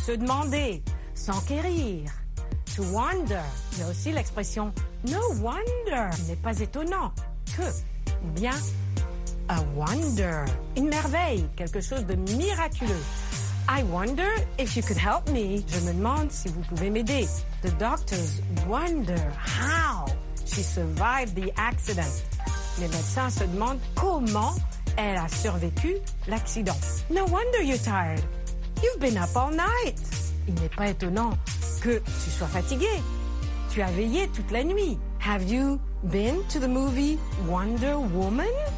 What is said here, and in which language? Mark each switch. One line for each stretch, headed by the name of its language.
French: Se demander, s'enquérir. To wonder, il y a aussi l'expression no wonder, n'est pas étonnant, que, ou bien a wonder, une merveille, quelque chose de miraculeux.
English: I wonder if you could help me, je me demande si vous pouvez m'aider. The doctors wonder how she survived the accident.
French: Les médecins se demandent comment elle a survécu l'accident.
English: No wonder you're tired, you've been up all night.
French: Il n'est pas étonnant que tu sois fatigué. Tu as veillé toute la nuit.
English: Have you been to the movie Wonder Woman?